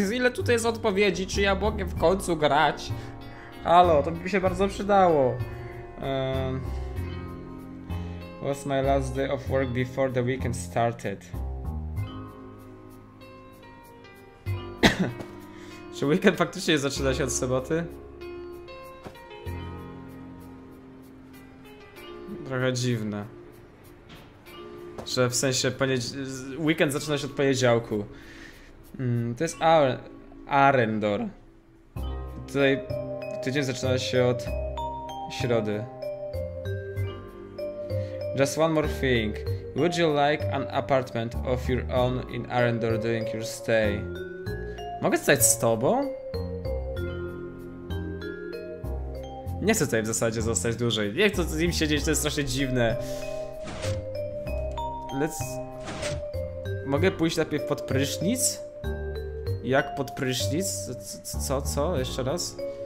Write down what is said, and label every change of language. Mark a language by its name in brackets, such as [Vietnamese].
[Polish] Ile tutaj jest odpowiedzi? Czy ja mogę w końcu grać? Halo, to by się bardzo przydało. [English] What's my last day of work before the weekend started? [Polish] Czy weekend faktycznie zaczyna się od soboty? Trochę dziwne. Że w sensie weekend zaczyna się od poniedziałku. To jest Arendor. Tutaj tydzień zaczyna się od środy. [English] Just one more thing. Would you like an apartment of your own in Arendor during your stay? [Polish] Mogę zostać z tobą? Nie chcę tutaj w zasadzie zostać dłużej. Nie chcę z nim siedzieć, to jest strasznie dziwne. Mogę pójść najpierw pod prysznic? Jak pod prysznic? Co? Jeszcze raz?